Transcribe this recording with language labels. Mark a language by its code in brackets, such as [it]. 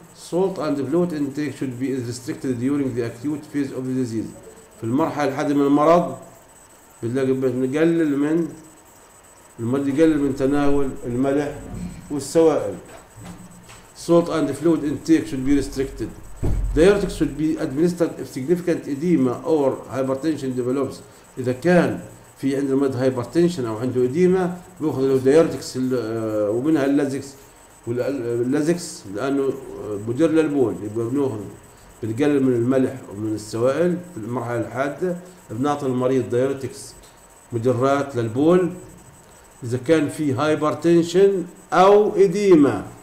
[en] Salt and fluid intake should be restricted during the acute phase of the disease. [ar] في المرحلة الحادة من المرض بنلاقي نقلل من المرض، يقلل من تناول الملح والسوائل. [en] Salt and fluid intake should be restricted. Diuretics should be administered if significant edema or hypertension develops. [ar] إذا كان في عند المرض hypertension أو عنده edema بياخذ له diuretics، ومنها اللازكس. واللازكس لانه مدير للبول، يبقى بناخذ بنقلل من الملح ومن السوائل في المرحله الحاده، بنعطي المريض دايرتكس مدرات للبول اذا كان في هايبرتنشن او اديما.